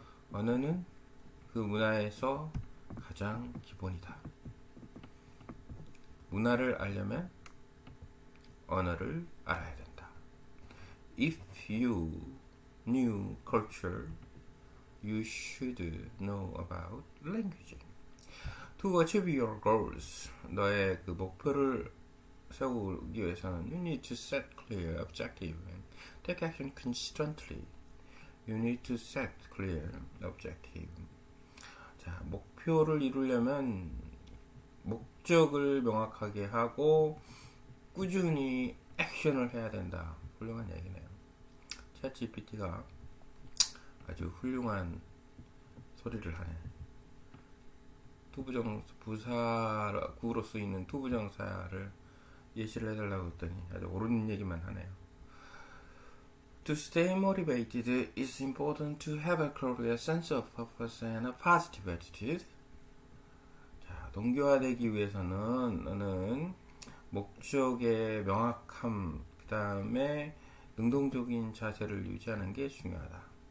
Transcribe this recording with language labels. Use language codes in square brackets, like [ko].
[ko] 언어는 그 문화에서 가장 기본이다. 문화를 알려면 언어를 알아야 된다. [en] If you knew culture, you should know about language. To achieve your goals, [ko] 너의 그 목표를 세우기 위해서는 [en] you need to set clear objective and take action constantly. You need to set clear objective. [ko] 자, 목표를 이루려면 목적을 명확하게 하고 꾸준히 액션을 해야 된다. 훌륭한 얘기네요. 챗GPT가 아주 훌륭한 소리를 하네. 투부정 부사라고 쓰이는 투부정사를 예시를 해달라고 했더니 아주 옳은 얘기만 하네요. [en] To stay motivated, it's important to have a clear sense of purpose and a positive attitude. [ko] 자, 동기화되기 위해서는 나는 목적의 명확함, 그다음에 능동적인 자세를 유지하는 게 중요하다.